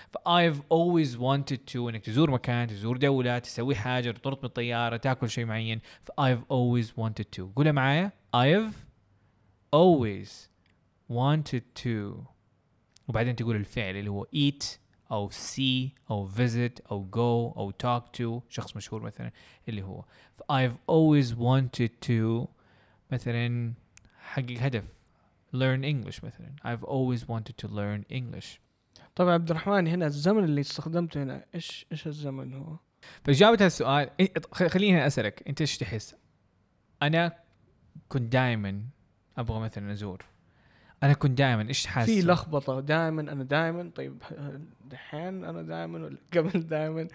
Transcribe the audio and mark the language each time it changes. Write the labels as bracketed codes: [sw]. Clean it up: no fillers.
[en] I've always wanted to [ar] انك تزور مكان، تزور دولة، تسوي حاجة، تطرط من الطيارة، تاكل شيء معين. [en] I've always wanted to. [ar] قولها معايا. [en] I've always wanted to. [ar] وبعدين تقول الفعل اللي هو eat او see او visit او go او [en] talk to [ar] شخص مشهور مثلا اللي هو. [en] I've always wanted to [ar] مثلا حقق هدف [en] learn English مثلا. I've always wanted to learn English. [ar] طبعا عبد الرحمن هنا الزمن اللي استخدمته هنا ايش الزمن هو؟ فجابت هالسؤال خليني اسالك انت ايش تحس؟ انا كنت دائما ابغى مثلا ازور، انا كنت دائما ايش حاسس؟ في لخبطه دائما، انا دائما طيب دحين انا دائما ولا قبل دائما؟